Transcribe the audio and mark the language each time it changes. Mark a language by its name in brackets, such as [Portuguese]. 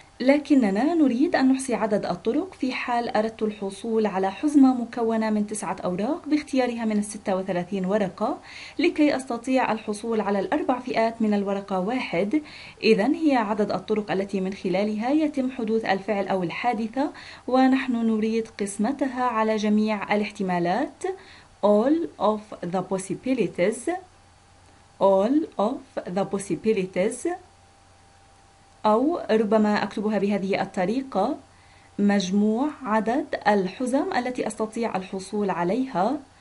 [Arabic] لكننا نريد أن نحصي عدد الطرق في حال أردت الحصول على حزمة مكونة من 9 أوراق باختيارها من 36 ورقة، لكي أستطيع الحصول على الـ4 فئات من الورقة واحد. إذن هي عدد الطرق التي من خلالها يتم حدوث الفعل أو الحادثة، ونحن نريد قسمتها على جميع الاحتمالات. [English] All of the possibilities. All of the possibilities. [Arabic] أو ربما أكتبها بهذه الطريقة، مجموع عدد الحزم التي أستطيع الحصول عليها.